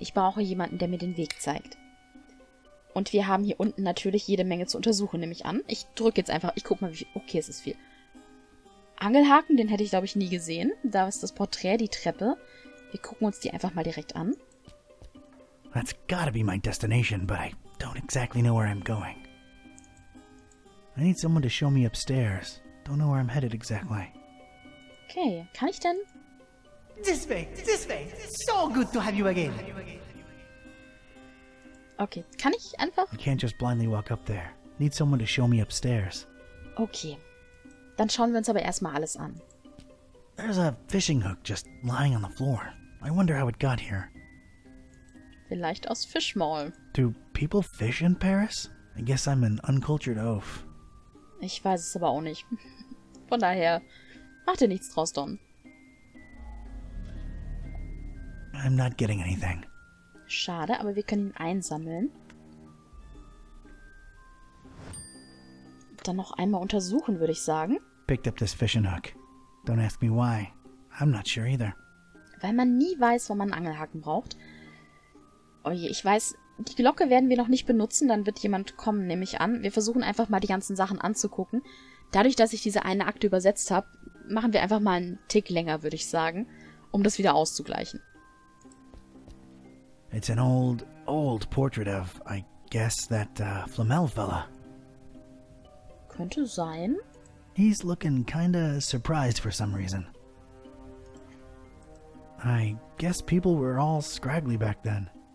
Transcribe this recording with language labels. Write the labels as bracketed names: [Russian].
[German] Ich brauche jemanden, der mir den Weg zeigt. Und wir haben hier unten natürlich jede Menge zu untersuchen, nehme ich an. Ich drücke jetzt einfach... Ich guck mal, wie viel... Okay, es ist viel. Angelhaken, den hätte ich, glaube ich, nie gesehen. Da ist das Porträt, die Treppe. Wir gucken uns die einfach mal direkt an. [English] That's gotta be my destination, but I don't exactly know where I'm going. I need someone to show me upstairs. Don't know where I'm headed exactly. [German] Okay, kann ich denn? [English] This way. It's so good to have you again. [German] Okay, kann ich einfach? [English] I can't just blindly walk up there. Need someone to show me upstairs. [German] Okay, dann schauen wir uns aber erstmal alles an. [English] There's a fishing hook just lying on the floor. I wonder how it got here. [German] Vielleicht aus Fischmaul. [English] Do people fish in Paris? I guess I'm an uncultured oaf. [German] Ich weiß es aber auch nicht. Von daher, mach dir nichts draus, Don. [English] I'm not getting anything. [German] Schade, aber wir können ihn einsammeln. Dann noch einmal untersuchen, würde ich sagen. [English] Picked up this fishing hook. Don't ask me why. I'm not sure either. [German] Weil man nie weiß, wo man einen Angelhaken braucht. Oje, ich weiß, die Glocke werden wir noch nicht benutzen, dann wird jemand kommen, nehme ich an. Wir versuchen einfach mal die ganzen Sachen anzugucken. Dadurch, dass ich diese eine Akte übersetzt habe, machen wir einfach mal einen Tick länger, würde ich sagen, um das wieder auszugleichen. [English] It's an old, old portrait of, I guess, that Flamel fella. [German] Könnte sein. [English] He's looking kinda surprised for some reason. I guess people were all scraggly back then.